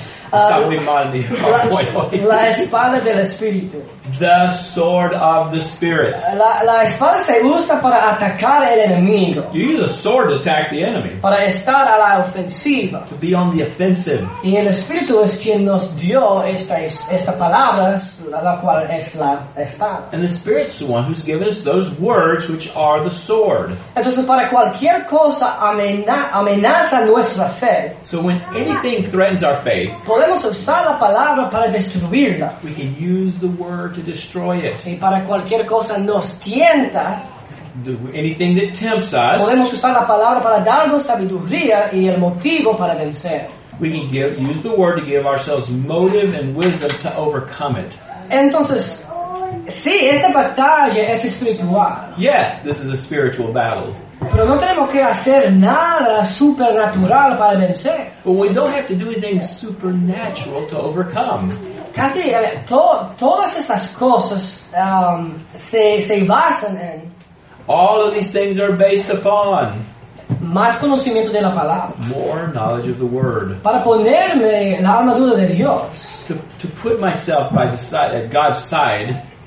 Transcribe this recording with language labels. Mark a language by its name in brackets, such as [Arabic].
[English] Okay, well, my PowerPoint is really bad today. [Spanish] La espada del espíritu. [English] The sword of the spirit. [Spanish] La espada se usa para atacar el enemigo. [English] You use a sword to attack the enemy. [Spanish] Para estar a la ofensiva. [English] To be on the offensive. [Spanish] Y el espíritu es quien nos dio esta palabra, la cual es la espada. [English] And the spirit's the one who's given us those words which are the sword. [Spanish] Entonces para cualquier cosa amenaza nuestra fe. [English] So when anything threatens our faith, [Spanish] podemos usar la palabra para destruirla. [English] We can use the word to destroy it. [Spanish] Y para cualquier cosa nos tienta, [English] anything that tempts us, [Spanish] podemos usar la palabra para darnos sabiduría y el motivo para vencer. [English] We can use the word to give ourselves motive and wisdom to overcome it. [Spanish] Entonces, sí, esta batalla es espiritual. [English] Yes, this is a spiritual battle. [Spanish] Pero no tenemos que hacer nada supernatural para vencer. [English] But we don't have to do anything supernatural to overcome. [Spanish] Casi todas esas cosas se basan en. [English] All of these things are based upon. [Spanish] Más conocimiento de la palabra. [English] More knowledge of the word. [Spanish] Para ponerme la armadura de Dios. [English] To put myself by the side at God's side.